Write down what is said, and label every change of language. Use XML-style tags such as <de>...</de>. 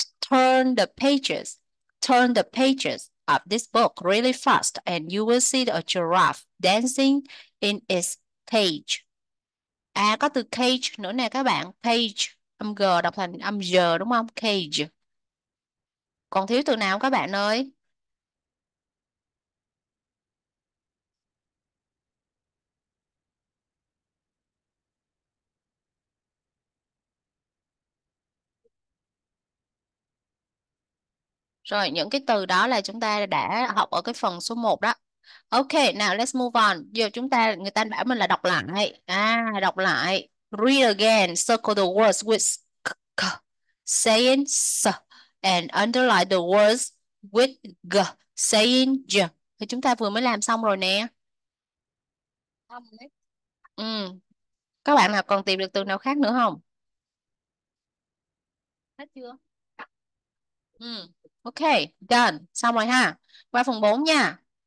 <en>Turn the pages of this book really fast and you will see a giraffe dancing in its cage.</en> <vi>À có từ cage nữa nè các bạn. Page, âm g đọc thành âm g đúng không? Cage. Còn thiếu từ nào các bạn ơi? Rồi, những cái từ đó là chúng ta đã học ở cái phần số 1 đó.</vi> <en>Ok, now let's move on.</en> <vi>Giờ chúng ta, người ta bảo mình là đọc lại. À, đọc lại.</vi> <en>Read again, circle the words with k, saying s, and underline the words with g, saying j.</en> <vi>Thì chúng ta vừa mới làm xong rồi nè. Không đấy. Ừ. Các bạn nào còn tìm được từ nào khác nữa không? Hết chưa? Ừ.</vi> <en>Ok, done.</en> <vi>Xong rồi ha. Qua phần 4 nha.</vi>